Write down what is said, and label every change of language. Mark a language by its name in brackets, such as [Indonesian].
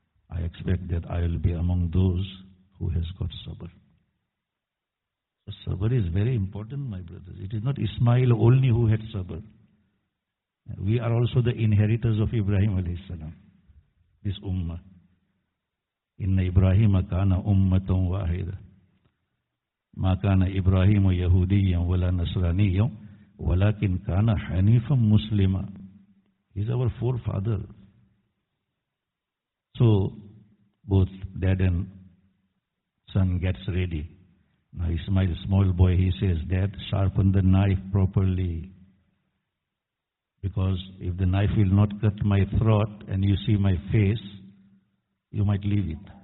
[English] I expect that I will be among those who has got sabr. Sabr is very important, my brothers. It is not Ismail only who had sabr. We are also the inheritors of Ibrahim alayhi salam, this ummah. [Arabic] Inna Ibrahima kana ummatan wahida. مَا كَانَ إِبْرَاهِيمُ يَهُودِيًّا وَلَا نَصْرَانِيًّا وَلَكِنْ كَانَ حَنِيفًا مُسْلِمًا [English] He's our forefather. So, both dad and son gets ready. Now Ismail, small boy, he says, Dad, sharpen the knife properly. Because if the knife will not cut my throat and you see my face, you might leave it.